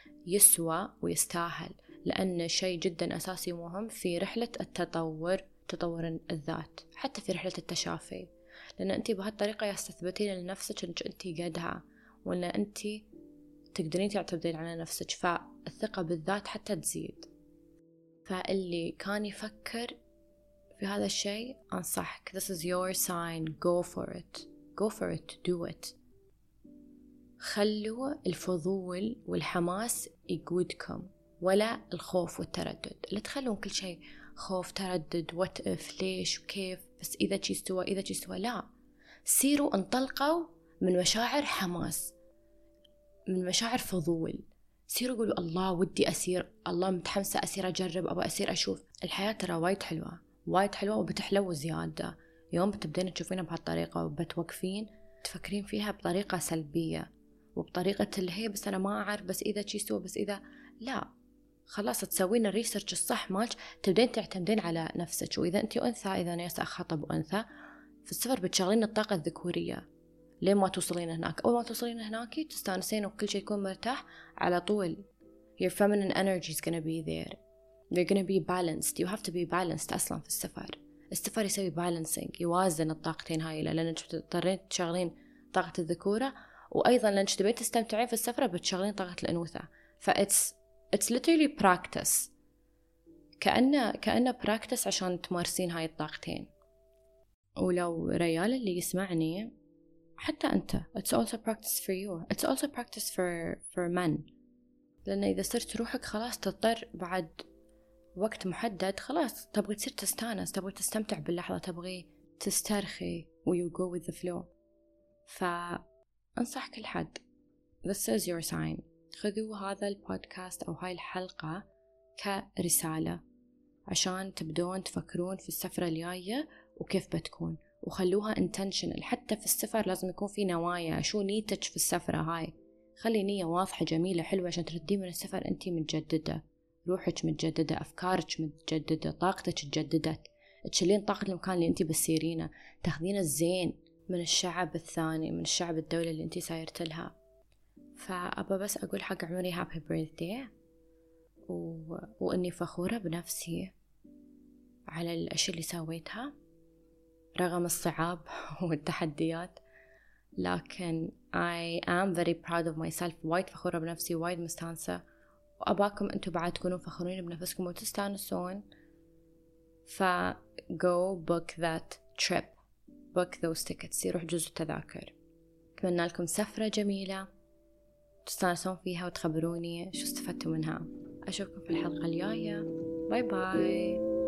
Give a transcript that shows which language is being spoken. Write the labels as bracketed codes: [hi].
[ar] يسوى ويستاهل، لأنه شيء جدا أساسي مهم في رحلة التطور، تطور الذات، حتى في رحلة التشافي، لأن أنت بهالطريقة يستثبتين لنفسك أنك أنت قدها، وأن أنت تقدرين تعتمدين على نفسك، فالثقة بالذات حتى تزيد. فاللي كان يفكر في هذا الشيء أنصحك، [en] this is your sign, go for it, go for it, do it. [ar] خلوا الفضول والحماس يقودكم، ولا الخوف والتردد، لا تخلون كل شيء خوف تردد [en] what if [ar] ليش وكيف، بس إذا شي استوى إذا شي استوى، لا، سيروا انطلقوا من مشاعر حماس، من مشاعر فضول، سيروا قولوا الله ودي أسير، الله متحمسة أسير أجرب، أبغى أسير أشوف. الحياة ترى وايد حلوة، وايد حلوة وبتحلو زيادة يوم بتبدين تشوفينها بهالطريقة، وبتوقفين تفكرين فيها بطريقة سلبية وبطريقة الهي بس أنا ما أعرف، بس إذا شي استوى، بس إذا، لا، خلاص تسوين الريسيرش الصح مالك، تبدين تعتمدين على نفسك. وإذا أنت أنثى، إذا ناس أخاطب أنثى، في السفر بتشغلين الطاقة الذكورية لين ما توصلين هناك، أول ما توصلين هناك تستانسين وكل شيء يكون مرتاح على طول. [en] Your feminine energy is gonna be there. You're gonna be balanced. You have to be balanced [ar] أصلا في السفر. السفر يسوي balancing، يوازن الطاقتين هاي، لأنك تضطرين تشغلين طاقة الذكورة، وأيضا لأنك تبين تستمتعين في السفرة بتشغلين طاقة الأنوثة. [en] It's literally practice. [ar] كأنه practice عشان تمارسين هاي الطاقتين. ولو ريال اللي يسمعني، حتى أنت، [en] it's also practice for you. It's also practice for men. [ar] لأن إذا صرت روحك خلاص تضطر بعد وقت محدد، خلاص تبغي تصير تستانس، تبغي تستمتع باللحظة، تبغي تسترخي و [en] you go with the flow. [ar] فأنصح كل حد، [en] this is your sign. [ar] خذوا هذا البودكاست أو هاي الحلقة كرسالة عشان تبدون تفكرون في السفرة الجاية وكيف بتكون، وخلوها intentional. حتى في السفر لازم يكون في نوايا، شو نيتك في السفرة هاي، خلي نية واضحة جميلة حلوة عشان تردي من السفر أنتي متجددة، روحك متجددة، أفكارك متجددة، طاقتك تجددت، تشلين طاقة المكان اللي أنتي بسيرينه، تاخذين الزين من الشعب الثاني، من الشعب الدولة اللي أنتي سايرت لها. فأبا بس أقول حق عمري [en] happy birthday [ar] وإني فخورة بنفسي على الأشياء اللي سويتها رغم الصعاب والتحديات، لكن [en] I am very proud of myself. [ar] وايد فخورة بنفسي، وايد مستانسة، وأباكم أنتوا بعد تكونوا فخورين بنفسكم وتستانسون. [en] ف go book that trip, book those tickets، [ar] يروح جزء التذاكر. أتمنى لكم سفرة جميلة تستانسون فيها وتخبروني شو استفدتوا منها. أشوفكم في الحلقة الجاية. باي باي.